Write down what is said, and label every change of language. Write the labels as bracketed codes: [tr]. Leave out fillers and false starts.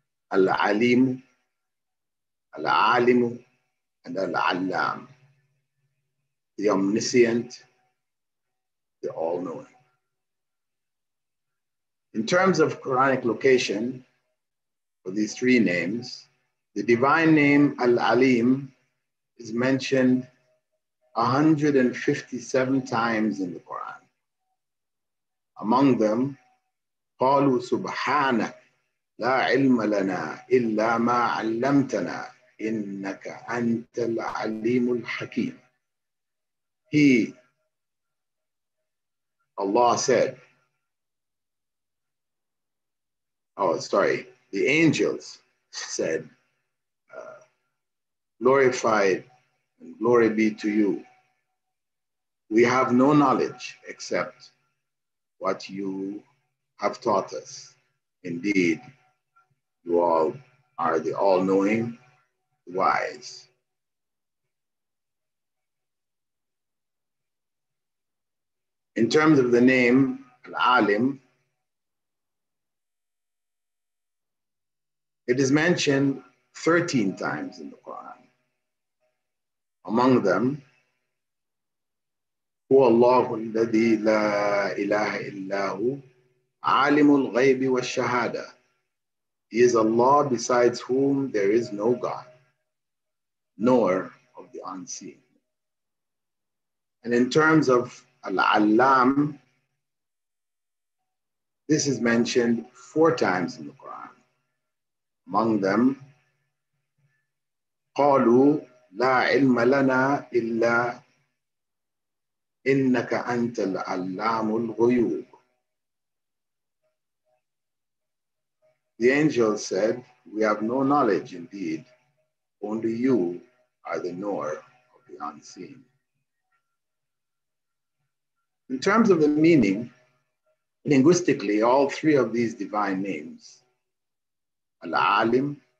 [en] Al-Aleem, Al-Aleem, and Al-Allaam, the Omniscient, the All-Knowing. In terms of Quranic location for these three names, the divine name Al-Aleem is mentioned 157 times in the Quran. Among them, [ar] قَالُوا سُبْحَانَكَ لا علم لنا إلا ما علمتنا إنك أنت العليم الحكيم. [en] He, Allah said, the angels said, glorified and glory be to you. We have no knowledge except what you have taught us. Indeed, you all are the all-knowing, the wise. In terms of the name Al-Aleem, it is mentioned 13 times in the Quran. Among them, [ar] هو الله الذي لا إله إلا هو عالم الغيب والشهادة. [en] He is Allah besides whom there is no God, nor of the unseen. And in terms of Al-Allam, this is mentioned four times in the Quran. Among them, [ar] قَالُوا لَا عِلْمَ لَنَا إِلَّا إِنَّكَ أَنْتَ الْعَلَّامُ الْغُيُوبُ. [en] The angel said, we have no knowledge indeed, only you are the knower of the unseen. In terms of the meaning, linguistically, all three of these divine names, Al-Aleem,